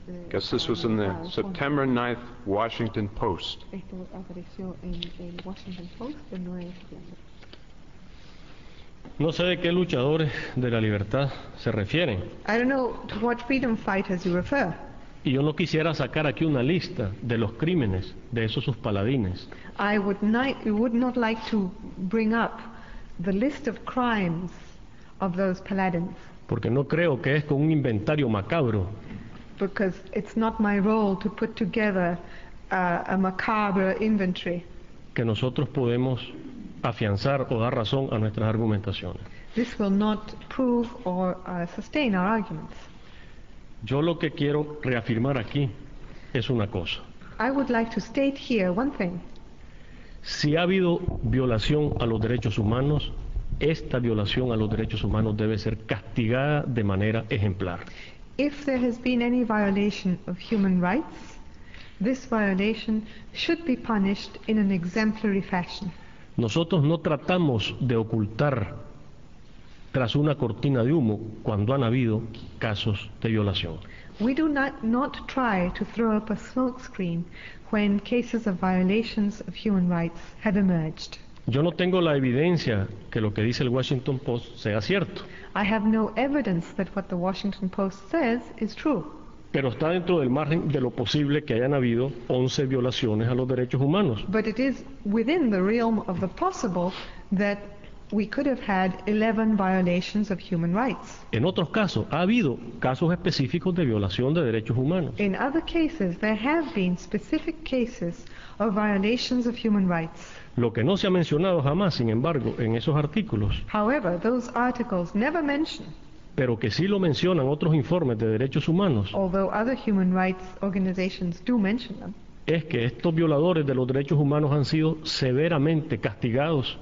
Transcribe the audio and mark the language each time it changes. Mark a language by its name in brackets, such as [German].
[English] Guess this was in the September 9th Washington Post. [Spanish] Esto apareció en el Washington Post el 9 de septiembre. No sé de qué luchadores de la libertad se refieren. [English] I don't know to what freedom fighters you refer. [Spanish] Y yo no quisiera sacar aquí una lista de los crímenes de esos sus paladines. [English] I would not like to bring up the list of crimes of those paladins. [Spanish] Porque no creo que es con un inventario macabro. [English] Because it's not my role to put together a macabre inventory. [Spanish] Que nosotros podemos afianzar o dar razón a nuestras argumentaciones. [English] This will not prove or sustain our arguments. [Spanish] Yo lo que quiero reafirmar aquí es una cosa. [English] I would like to state here one thing. [Spanish] Si ha habido violación a los derechos humanos, esta violación a los derechos humanos debe ser castigada de manera ejemplar. [English] If there has been any violation of human rights, this violation should be punished in an exemplary fashion. [Spanish] Nosotros no tratamos de ocultar tras una cortina de humo cuando han habido casos de violación. [English] We do not try to throw up a smokescreen when cases of violations of human rights have emerged. [Spanish] Yo no tengo la evidencia que lo que dice el Washington Post sea cierto. [English] I have no evidence that what the Washington Post says is true. [Spanish] Pero está dentro del margen de lo posible que hayan habido 11 violaciones a los derechos humanos. [English] But it is within the realm of the possible that we could have had 11 violations of human rights. [Spanish] En otros casos, ha habido casos específicos de violación de derechos humanos. [English] In other cases, there have been specific cases of violations of human rights. [Spanish] Lo que no se ha mencionado jamás, sin embargo, en esos artículos. [English] However, those articles never mention. [Spanish] Pero que sí lo mencionan otros informes de derechos humanos. [English] Although other human rights organizations do mention them. [Spanish] Es que estos violadores de los derechos humanos han sido severamente castigados.